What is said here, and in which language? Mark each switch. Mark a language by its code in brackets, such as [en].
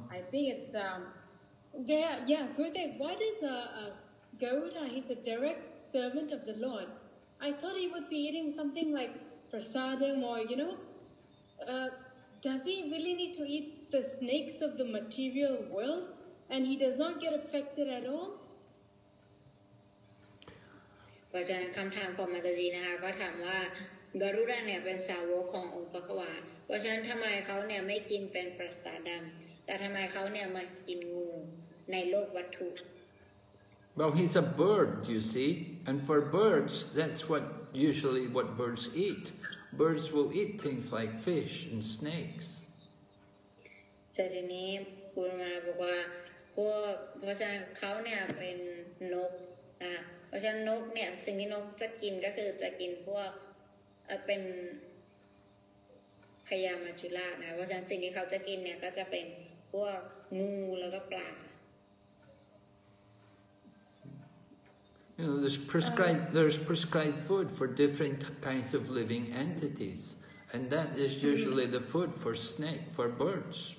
[en] I think it's, Gurudev, why does Garuda, he's a direct servant of the Lord. I thought he would be eating something like prasadam or, you know, does he really need to eat the snakes of the material world? And he does not get affected at all. [th] เพราะฉะนั้นคำถามของมาตาจีนะคะก็ถามว่าการุณาเนี่ยเป็นสาวกขององค์พระขวานเพราะฉะนั้นทำไมเขาเนี่ยไม่กินเป็นประสาดำแต่ทำไมเขาเนี่ยมากินงูในโลกวัตถุ [en] Well, he's a bird, you see, and for birds, that's what birds eat. Birds will eat things like fish and snakes. [th] แต่ทีนี้คุณมาบอกว่าเพราะฉะนั้นเขาเนี่ยเป็นนกเพราะฉะนั้นนกเนี่ยสิ่งที่นกจะกินก็คือจะกินพวกเป็นพญามัจจุราชนะเพราะฉะนั้นสิ่งที่เขาจะกินเนี่ยก็จะเป็นพวกงูแล้วก็ปลา [en] You know there's prescribed food for different kinds of living entities and that is usually the food for snake for birds